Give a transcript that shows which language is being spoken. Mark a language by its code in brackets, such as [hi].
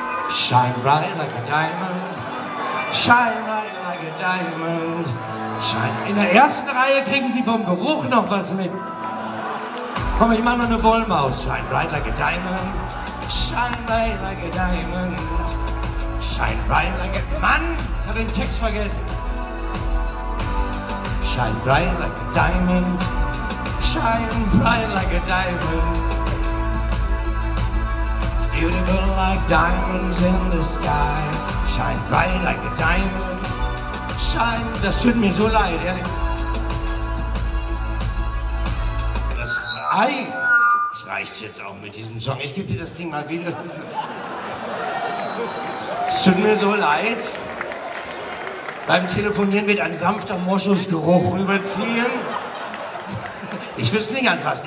[en] Shine bright like a diamond. Shine bright like a diamond. Shine bright like a diamond. [de] Shine. In der ersten Reihe kriegen Sie vom Geruch noch was mit. Komm, ich mach noch eine Wollmaus. [en] Shine bright like a diamond. Shine bright like a diamond. Shine bright like a... [de] Mann, ich hab den Text vergessen. [en] Shine bright like a diamond. Shine bright like a diamond. Beautiful like diamonds in the sky. Shine bright like a diamond. Shine. [de] Das tut mir so leid, ehrlich. Das reicht. Das reicht jetzt auch mit diesem Song. Ich gebe dir das Ding mal wieder. Es tut mir so leid. Beim Telefonieren wird ein sanfter Moschusgeruch rüberziehen. Ich würde es nicht anfassen.